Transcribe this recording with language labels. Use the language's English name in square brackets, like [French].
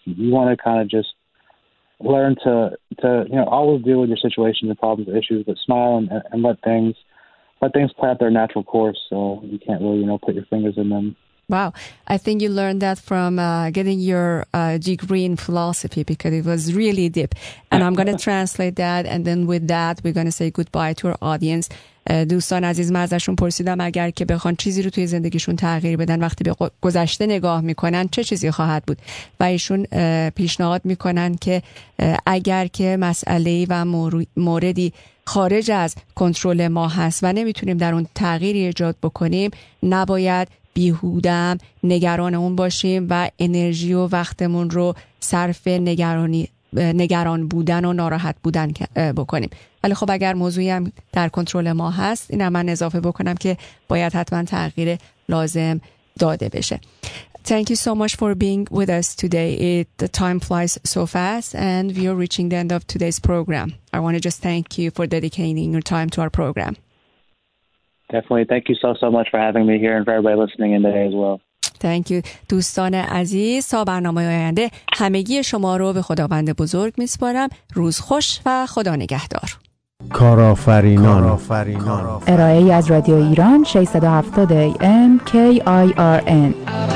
[English] You want to kind of just learn to always deal with your situations and problems and issues, but smile and let things play out their natural course. So you can't really, put your fingers in them. Wow. I think you learned that from getting your degree in philosophy, because it was really deep. And I'm going to translate that. And then with that, we're going to say goodbye to our audience. [Persian] دوستان عزیز، من ازشون پرسیدم اگر که بخوان چیزی رو توی زندگیشون تغییر بدن، وقتی به گذشته نگاه میکنن چه چیزی خواهد بود، و ایشون پیشنهاد میکنن که اگر که مسئله و موردی خارج از کنترل ما هست و نمیتونیم در اون تغییری ایجاد بکنیم، نباید بیهودم نگران اون باشیم و انرژی و وقتمون رو صرف نگران بودن و ناراحت بودن بکنیم. ولی خب اگر موضوعی هم در کنترل ما هست، این هم من اضافه بکنم که باید حتما تغییر لازم داده بشه. [English] Thank you so much for being with us today. The time flies so fast and we are reaching the end of today's program. I want to just thank you for dedicating your time to our program. Definitely. Thank you so much for having me here and for everybody listening in today as well. Thank you. [Persian] دوستان عزیز، تا برنامه آینده همگی شما رو به خداوند بزرگ میسپارم. روز خوش و خدا نگهدار. کارآفرینان ارائه از رادیو ایران 670 AM KIRN.